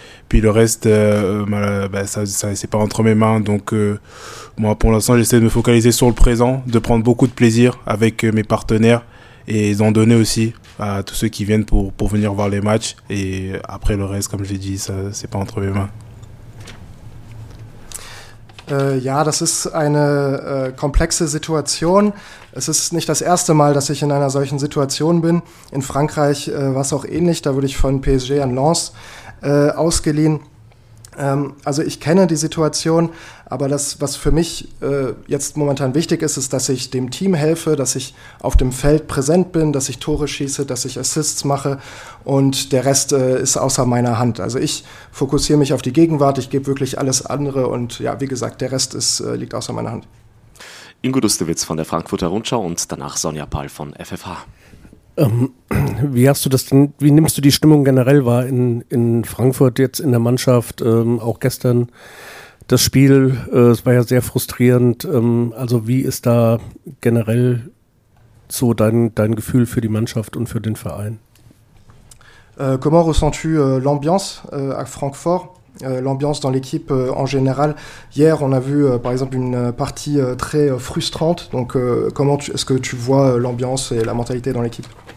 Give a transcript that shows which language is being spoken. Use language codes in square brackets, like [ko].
[fr] Puis le reste, c'est pas entre mes mains. Donc, moi, pour l'instant, j'essaie de me focaliser sur le présent, de prendre beaucoup de plaisir avec mes partenaires et d'en donner aussi à tous ceux qui viennent pour venir voir les matchs. Et après, le reste, comme j'ai dit, ça, c'est pas entre mes mains. [de] Ja, das ist eine komplexe Situation. Es ist nicht das erste Mal, dass ich in einer solchen Situation bin. In Frankreich war es auch ähnlich, da wurde ich von PSG an Lens ausgeliehen. Also ich kenne die Situation, aber das, was für mich jetzt momentan wichtig ist, ist, dass ich dem Team helfe, dass ich auf dem Feld präsent bin, dass ich Tore schieße, dass ich Assists mache und der Rest ist außer meiner Hand. Also ich fokussiere mich auf die Gegenwart, ich gebe wirklich alles andere und ja, wie gesagt, der Rest ist, liegt außer meiner Hand. Ingo Dustewitz von der Frankfurter Rundschau und danach Sonja Pahl von FFH. Wie hast du das denn, wie nimmst du die Stimmung generell wahr in Frankfurt jetzt in der Mannschaft, auch gestern das Spiel, es war ja sehr frustrierend, also wie ist da generell so dein Gefühl für die Mannschaft und für den Verein? [fr] Comment ressens-tu l'ambiance à Francfort? L'ambiance dans l'équipe en général. Hier, on a vu par exemple une partie très frustrante. Donc, est-ce que tu vois l'ambiance et la mentalité dans l'équipe ?